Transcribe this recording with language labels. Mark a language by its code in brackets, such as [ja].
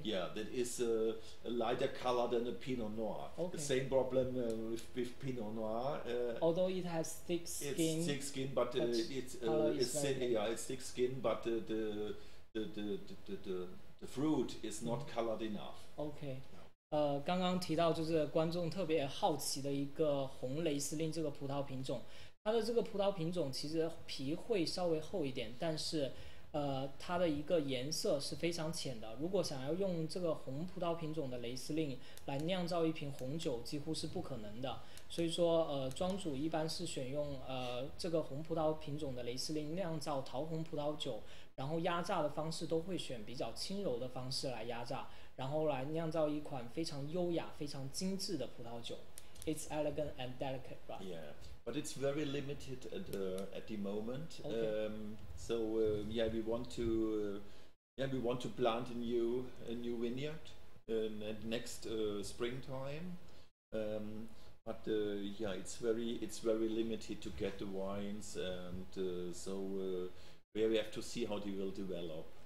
[en] Yeah, that is a lighter color than a Pinot Noir. Okay. The same problem with Pinot Noir. Although it has thick skin. It's thick skin, but it's thick skin, but the fruit is not colored enough. Okay. [zh] 刚刚提到就是观众特别好奇的一个红雷司令这个葡萄品种，它的这个葡萄品种其实皮会稍微厚一点，但是它的一个颜色是非常浅的，如果想要用这个红葡萄品种的雷司令来酿造一瓶红酒几乎是不可能的，所以说庄主一般是选用这个红葡萄品种的雷司令酿造桃红葡萄酒，然后压榨的方式都会选比较轻柔的方式来压榨，然后来酿造一款非常优雅非常精致的葡萄酒。 [en] It's elegant and delicate, right? Yeah, but it's very limited at the moment. Okay. So we want to plant a new vineyard in next springtime. It's very limited to get the wines, and we have to see how they will develop.